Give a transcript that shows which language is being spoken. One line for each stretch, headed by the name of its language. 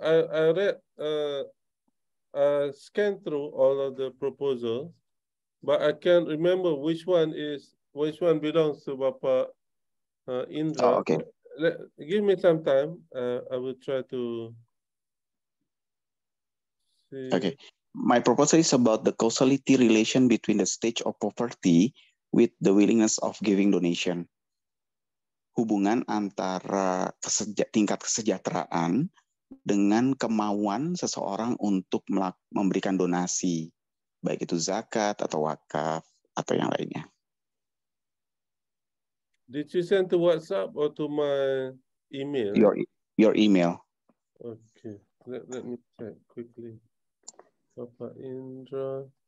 English: I read scanned through all of the proposals, but I can't remember which one belongs to Bapa Indra. Oh, okay. Give me some time. I will try to see. Okay. My proposal is about the causality relation between the stage of poverty with the willingness of giving donation.
Indonesian: Hubungan antara tingkat kesejahteraan dengan kemauan seseorang untuk memberikan donasi, baik itu zakat atau wakaf atau yang lainnya.
English: Did you send to WhatsApp or to my email? Your email. Okay, let me check quickly. Papa Indra.